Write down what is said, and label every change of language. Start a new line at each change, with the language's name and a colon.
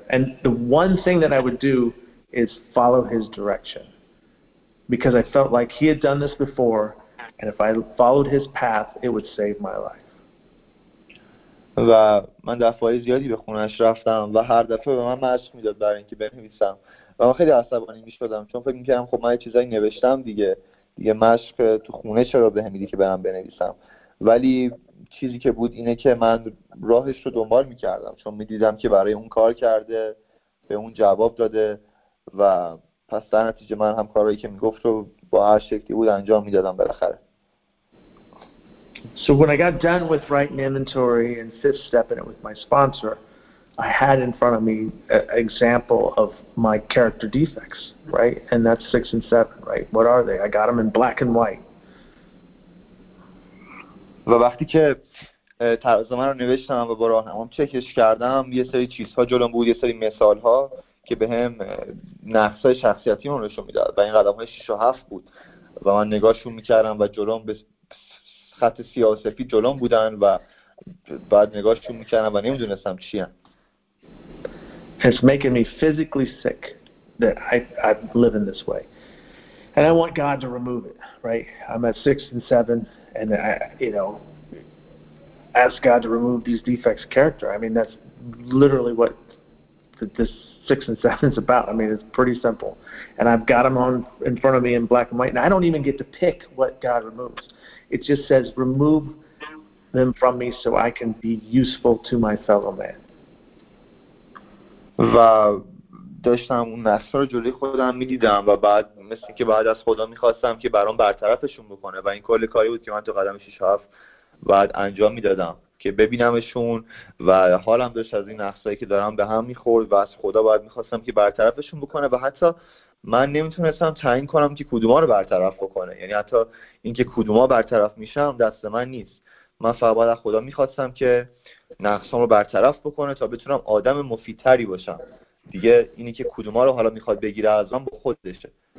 English: And the one thing that I would do is follow his direction. Because I felt like he had done this before, and if I followed his path, it would save my life.
Persian: و من دفعه زیادی به خونش رفتم و هر دفعه به من مشق میداد برای اینکه بنویسم. و من خیلی عصبانی میشدم چون فکر میکردم خب من یه چیزایی نوشتم دیگه مشق تو خونه چرا بهم میدی که برم بنویسم. ولی چیزی که بود اینه که من راهش رو دنبال میکردم چون میدیدم که برای اون کار کرده، به اون جواب داده و پس در نتیجه من هم کارهایی که میگفت رو با هر شکلی بود انجام میدادم بالاخره.
English: So when I got done with writing inventory and fifth step in it with my sponsor, I had in front of me an example of my character defects, right? And that's 6 and 7, right? What are they? I got them in black and white.
Persian: و وقتی که ترازمه رو نوشتم و با راهنمام چکش کردم، یه سری چیزها جلوم بود، یه سری مثالها که به هم نقصهای شخصیتی من روشون میداد و این قدمهای 6 و 7 بود و من نگاهشون میکردم و جلوم به خط سیاه و سفید جلوم بودن و بعد نگاهشون میکردم و نمیدونستم چی هم.
English: It's making me physically sick that I live in this way. And I want God to remove it, right? I'm at 6 and 7, and I, you know, ask God to remove these defects of character. I mean, that's literally what this 6 and 7 is about. I mean, it's pretty simple. And I've got them on in front of me in black and white, and I don't even get to pick what God removes. It just says, remove them from me so I can be useful to my fellow man. Wow.
Persian: داشتم اون نقصا رو جلوی خودم میدیدم و بعد مثل اینکه بعد از خدا میخواستم که برام برطرفشون بکنه و این کل کاری بود که من تو قدم 6 و 7 بعد انجام میدادم که ببینمشون و حالم داشت از این نقصایی که دارم به هم میخورد و از خدا بعد میخواستم که برطرفشون بکنه و حتی من نمیتونستم تعیین کنم که کدوما رو برطرف بکنه، یعنی حتی اینکه کدوما برطرف میشم دست من نیست، من فقط از خدا میخواستم که نقصام رو برطرف بکنه تا بتونم آدم مفیدتری باشم دیگه، اینی که کدوما رو حالا میخواد بگیره از من با خودشه.